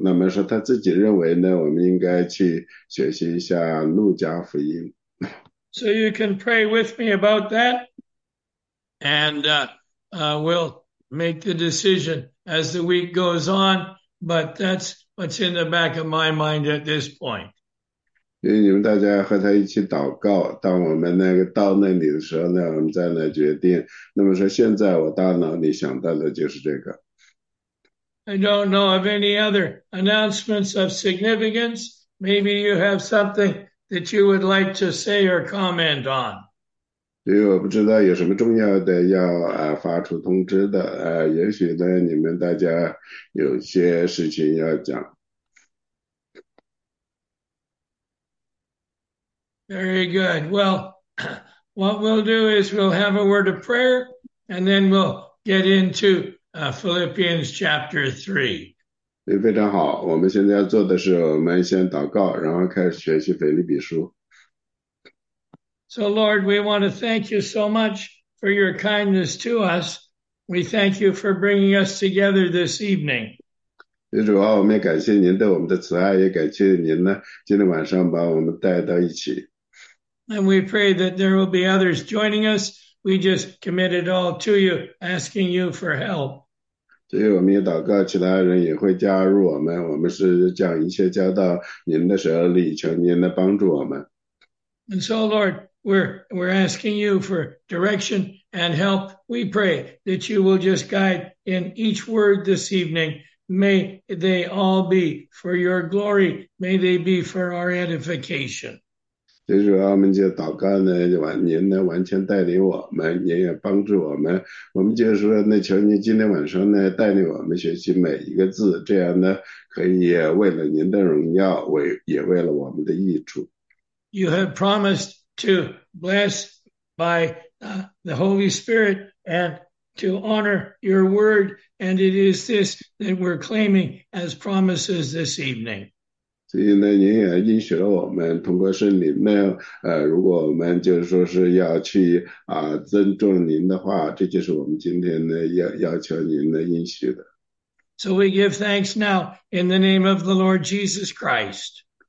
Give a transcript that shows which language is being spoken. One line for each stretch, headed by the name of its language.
Chinese: 那么说他自己认为呢，我们应该去学习一下《路加福音》。
English: So you can pray with me about that, and we'll make the decision as the week goes on. But that's what's in the back of my mind at this point.
Chinese: 因为你们大家和他一起祷告，当我们那个到那里的时候呢，我们再来决定。那么说现在我大脑里想到的就是这个。
English: I don't know of any other announcements of significance. Maybe you have something that you would like to say or comment on.
Chinese: 因为我不知道有什么重要的要发出通知的，也许呢你们大家有些事情要讲。
English: Very good. Well, what we'll do is we'll have a word of prayer and then we'll get into Philippians chapter 3.
Chinese: 非常好，我们现在要做的是，我们先祷告，然后开始学习腓立比书。
English: So, Lord, we want to thank you so much for your kindness to us. We thank you for bringing us together this evening.
Chinese: 主啊，我们也感谢您对我们的慈爱，也感谢您呢，今天晚上把我们带到一起。
English: And we pray that there will be others joining us. We just commit it all to you, asking you for help.
Chinese: 所以我们也祷告，其他人也会加入我们。我们是将一切交到您的手里，求您来帮助我们。
English: And so, Lord, we're asking you for direction and help. We pray that you will just guide in each word this evening. May they all be for your glory. May they be for our edification.
Chinese: 所以主要我们就祷告呢，您呢完全带领我们，您也帮助我们。我们就是说呢，求您今天晚上呢带领我们学习每一个字，这样呢可以为了您的荣耀，也为了我们的益处。
English: You have promised to bless by the Holy Spirit and to honor your word, and it is this that we're claiming as promises this evening.
Chinese: 所以呢，您也应许了我们，通过圣灵呢，如果我们就是说是要去尊重您的话，这就是我们今天呢要求您的应许的。
English: So we give thanks now in the name of the Lord Jesus Christ.